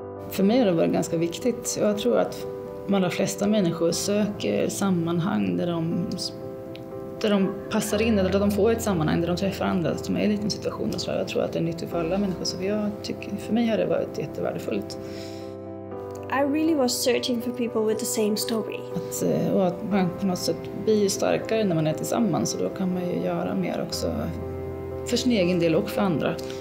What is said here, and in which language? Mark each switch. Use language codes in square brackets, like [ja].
[sv] För mig har det varit ganska viktigt. Jag tror att de flesta människor söker sammanhang där de passar in, eller där de får ett sammanhang där de träffar andra som är i liten situation. Och så jag tror att det är nyttigt för alla människor. Så jag tycker, för mig har det varit jättevärdefullt. [en] I really was searching for people with the same story. [sv] Att man på något sätt blir starkare när man är tillsammans, så då kan man ju göra mer också för sin egen del och för andra.